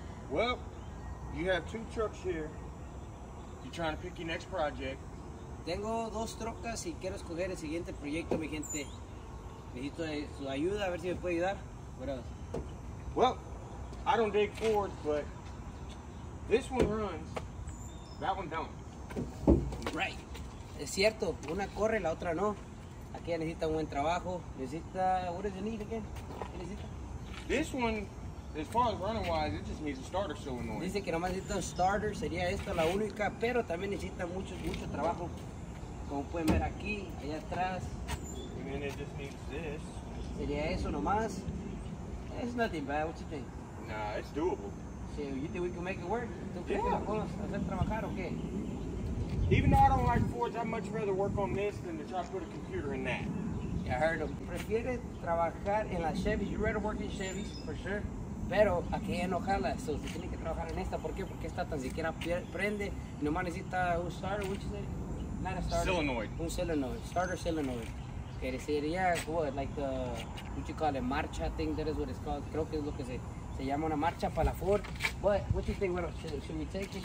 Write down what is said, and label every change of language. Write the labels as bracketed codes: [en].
[en] Well, you have two trucks here. You're trying to pick your next project. [es] Tengo dos trocas y quiero escoger el siguiente proyecto, mi gente. Necesito su ayuda, a ver si me puede ayudar. [en] Well, I don't dig Ford, but this one runs, that one don't. Right. [es] Es cierto, una corre, la otra no. Aquí necesita un buen trabajo. Necesita, [en] what does it need again? [es] ¿Qué necesita? [en] This one, as far as running wise, it just needs a starter solenoid. [es] Dice que nomás necesita un starter, sería esta la única, pero también necesita mucho, mucho trabajo. Como pueden ver aquí, allá atrás. [en] And then it just needs this. [es] Sería eso nomás. [en] It's nothing bad, what you think? Nah, it's doable. So you think we can make it work? [es] ¿Tú crees que vamos a hacer trabajar o qué? [en] Even though I don't like Fords, I'd much rather work on this than to try to put a computer in that. Yeah, I heard him. [es] Prefiere trabajar en las Chevys. [en] You'd rather work in Chevys, for sure. [es] Pero aquí en Ojala, so se tiene que trabajar en esta. ¿Por qué? Porque esta tan siquiera prende. Nomás necesita un [en] starter, which is it? Not a starter. Solenoid. Un solenoid. Starter solenoid. [es] Que sería, [en] what, like the, what you call it, marcha thing. That is what it's called. [es] Creo que es lo que se llama una marcha para la Ford. [en] But, what do you think, bueno, should we take it?